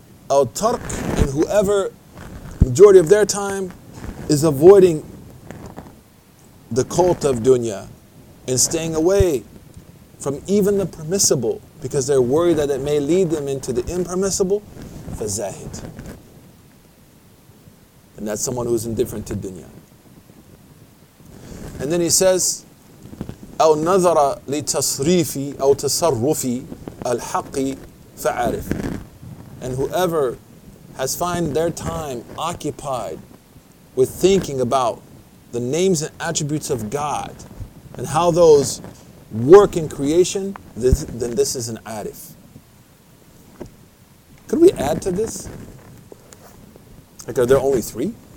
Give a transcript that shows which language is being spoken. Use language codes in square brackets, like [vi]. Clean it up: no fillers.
[en] al-Tark, and whoever, majority of their time, is avoiding the cult of dunya and staying away from even the permissible because they're worried that it may lead them into the impermissible, fazahid. And that's someone who's indifferent to dunya. And then he says, [ar] أَوْ نَظَرَ لِتَصْرِيفِ أَوْ تَصَرُّفِ الْحَقِّ فَعَارِفِ. [en] And whoever has find their time occupied with thinking about the names and attributes of God and how those work in creation, then this is an arif. Could we add to this? Like, are there only three?